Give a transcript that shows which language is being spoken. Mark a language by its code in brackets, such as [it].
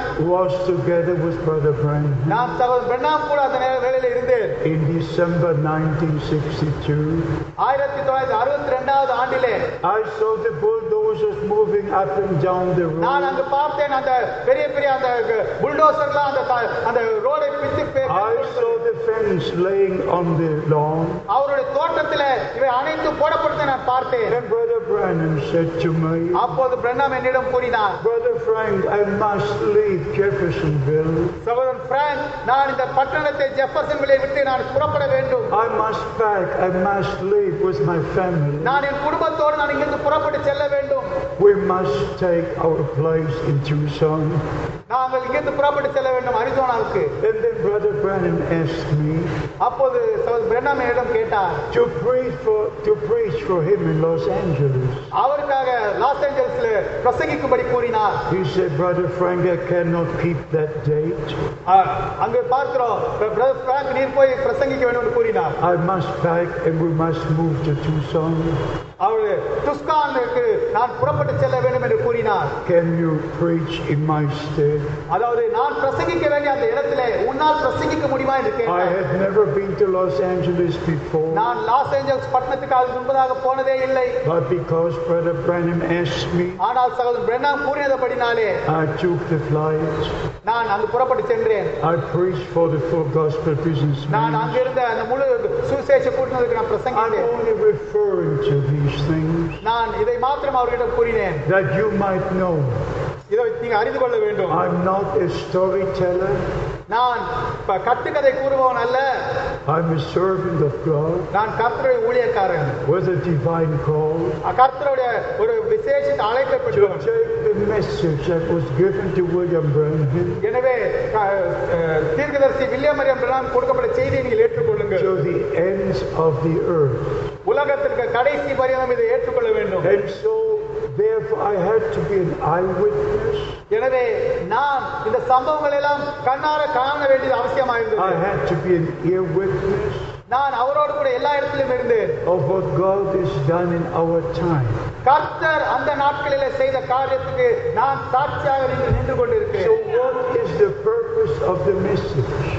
[en] Was together with Brother Branham in December 1962. I saw the bulldozers moving up and down the road. [ta] நான் அங்க பார்த்தேன் அந்த பெரிய பெரிய அந்த புல்டோசர்லாம் அந்த ரோடை பிச்சு. [en] I saw the fence laying on the lawn. [ta] அவருடைய தோட்டத்தில் இவை அனைத்தும் போடப்படுத்த நான் பார்த்தேன். [en] Brother Branham said to me. [ta] அப்போது பிரணாம் என்னிடம் கூறினார். [en] Brother Frank, I must leave Jeffersonville. [ta] சகோதரன் பிராங்க், நான் இந்த பட்டணத்தை ஜெஃபர்சன்வில் விட்டு நான் புறப்பட வேண்டும். [en] I must pack. I must leave with my family. [ta] நான் என் குடும்பத்தோடு நான் இங்கிருந்து புறப்பட்டு செல்ல வேண்டும். [en] We must take our place in Tucson. [ta] நாங்கள் இங்கிருந்து புறப்பட்டு செல்ல வேண்டும் அரிசோனாவுக்கு. [en] And then Brother Branham asked me. [ta] அப்போது சகோதரன் பிரணாம் என்னிடம் கேட்டார். [en] To preach for him in Los Angeles. [ta] அவருக்காக லாஸ் ஏஞ்சல்ஸ்ல பிரசங்கிக்கும்படி கூறினார். [en] He said, Brother Frank, I cannot keep that date. [ta] அங்கே பார்க்கிறோம் Brother Frank, நீ போய் பிரசங்கிக்க வேண்டும் என்று கூறினார். [en] I must pack and we must move to Tucson. [ta] அவரு துஸ்கானுக்கு நான் புறப்பட்டு செல்ல வேண்டும் என்று கூறினார். [en] Can you preach in my stead? [ta] அதாவது நான் பிரசங்கிக்க வேண்டிய அந்த இடத்திலே உன்னால் பிரசங்கிக்க முடியுமா என்று கேட்டார். [en] I had never been to Los Angeles before. [ta] நான் லாஸ் ஏஞ்சல்ஸ் பட்டணத்துக்கு அதுக்கு முன்பதாக போனதே இல்லை. [en] But because Brother Branham asked me. [ta] ஆனால் சகோதரர் Pranam கூறியதபடினாலே [en] I took the flight. [ta] நான் அங்கு புறப்பட்டு சென்றேன். [en] I preached for the full gospel business. [ta] நான் அங்கிருந்த அந்த முழு சுவிசேஷ கூட்டத்துக்கு நான் பிரசங்கித்தேன். [en] I only referring to these things. [ta] நான் இதை மட்டும் அவர்களிடம் கூறினேன். [en] That you might know. [ta] இதை நீங்க அறிந்து கொள்ள வேண்டும். [en] I am not a storyteller. [ta] நான் கட்டுக்கதை கூறுபவன் அல்ல. [en] I am a servant of God. [ta] நான் கர்த்தருடைய ஊழியக்காரன். [en] With a divine call. [ta] கர்த்தருடைய ஒரு விசேஷ அழைப்பை பெற்றவன். [en] Message that was given to William Branham. [ta] எனவே தீர்க்கதரிசி வில்லியம் பிரானம் கொடுக்கப்பட்ட செய்தியை நீங்கள் ஏற்றுக்கொள்ளுங்கள். [en] To the ends of the earth. [ta] உலகத்திற்கு கடைசி வரையும் இதை ஏற்றுக்கொள்ள வேண்டும். [en] And so, therefore, I had to be an eyewitness. [ta] எனவே நான் இந்த சம்பவங்கள் எல்லாம் கண்ணார காண வேண்டியது அவசியமா இருந்தது. [en] I had to be an ear witness. [ta] நான் அவரோடு கூட எல்லா இடத்திலும் இருந்தேன். [en] Of what God has done in our time. [ta] கர்த்தர் அந்த நாட்களில் செய்த காரியத்துக்கு நான் சாட்சியாக நின்று கொண்டிருக்கிறேன். [en] So what is the purpose of the message?